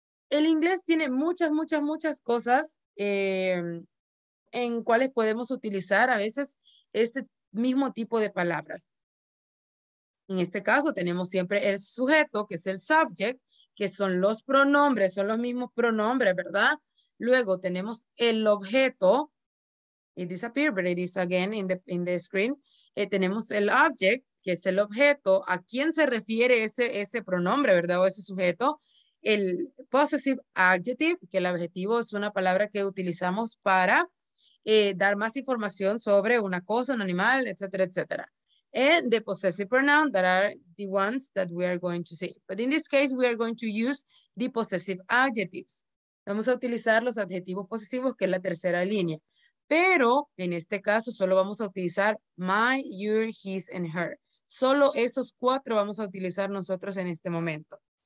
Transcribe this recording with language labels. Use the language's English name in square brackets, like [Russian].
[Spanish] El inglés tiene muchas, muchas, muchas cosas en cuales podemos utilizar a veces este mismo tipo de palabras. En este caso, tenemos siempre el sujeto, que es el subject, que son los pronombres, son los mismos pronombres, ¿verdad? Luego tenemos el objeto. [English] It disappeared, but it is again in the screen. [Spanish] Tenemos el object, que es el objeto. ¿A quién se refiere ese pronombre, verdad? O ese sujeto. El possessive adjective, que el adjetivo es una palabra que utilizamos para dar más información sobre una cosa, un animal, etcétera, etcétera. [English] And the possessive pronoun, that are the ones that we are going to see. But in this case, we are going to use the possessive adjectives. [Spanish] Vamos a utilizar los adjetivos posesivos, que es la tercera línea. Pero en este caso, solo vamos a utilizar my, your, his, and her. Solo esos cuatro vamos a utilizar nosotros en este momento.